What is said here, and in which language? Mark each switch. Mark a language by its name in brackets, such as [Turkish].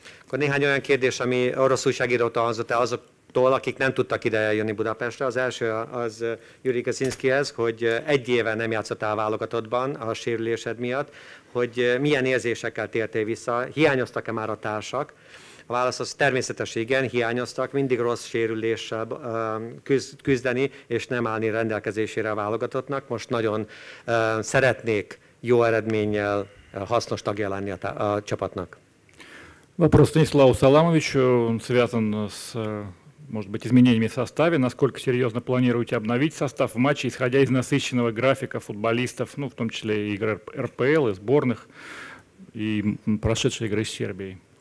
[Russian] Конечно, я не могу сказать, что мы росущие гидроты, а за то, [Hungarian] Tól, akik nem tudtak ide eljönni Budapestre. Az első az Jüri Kaczynszkihez, hogy egy éve nem játszottál válogatottban a sérülésed miatt, hogy milyen érzésekkel tértél vissza, hiányoztak-e már a társak? A válasz az természetesen igen, hiányoztak, mindig rossz sérüléssel küzdeni, és nem állni rendelkezésére a válogatottnak. Most nagyon szeretnék jó eredménnyel hasznos tagja lenni a csapatnak. [Russian] Вопрос Станиславу Саламовичу, он связан с, может быть, изменениями в составе. Насколько серьезно планируете обновить состав в матче, исходя из насыщенного графика футболистов, ну, в том числе и игр РПЛ, и сборных, и прошедшей игры с Сербией?